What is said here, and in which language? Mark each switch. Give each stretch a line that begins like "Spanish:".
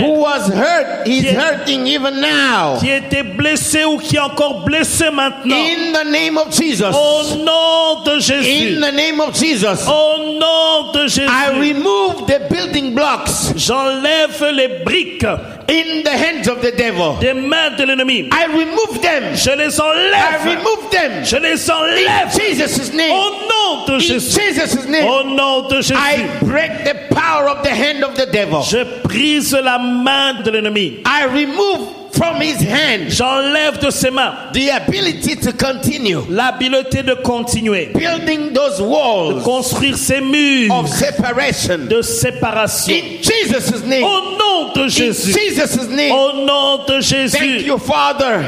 English: Who was hurt, is hurting even now.
French: Qui était blessé ou qui est encore blessé maintenant.
English: In the name of Jesus.
French: Au nom de Jésus.
English: In the name of Jesus.
French: Au nom de Jésus.
English: I remove the building blocks.
French: J'enlève les briques.
English: In the hands of the devil.
French: Des mains de l'ennemi.
English: I remove them.
French: Je les enlève.
English: I remove them.
French: Je les enlève.
English: In Jesus' name.
French: Au nom de
English: Jésus. In Jesus' name.
French: Au nom de Jésus.
English: I break the power of the hand of the devil.
French: Je brise la main de l'ennemi.
English: I remove from his hand.
French: J'enlève de ses mains.
English: The ability to continue.
French: L'habileté de continuer.
English: Building those walls.
French: De construire ces murs.
English: Of separation.
French: De séparation.
English: In Jesus' name.
French: Au nom de Jésus.
English: In Jesus' name.
French: Au nom de Jésus.
English: Thank you, Father.